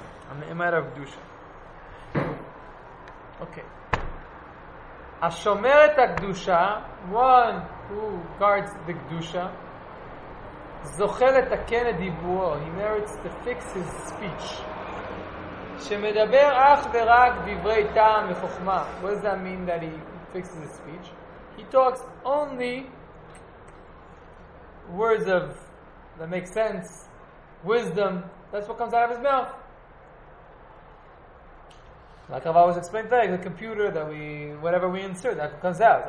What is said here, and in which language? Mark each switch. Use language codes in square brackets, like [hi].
[en] On the Emad of Dusha. Okay. Ashomeret HaKdusha, one who guards the Kdusha. [he] זוכה לתקן את דיבורו. [en] He merits to fix his speech. [he] שמדבר אך ורק דברי טעם וחוכמה. [en] What does that mean that he fixes his speech? He talks only words of that make sense, wisdom. That's what comes out of his mouth. Like I've always explained today, the computer that we, whatever we insert, that comes out.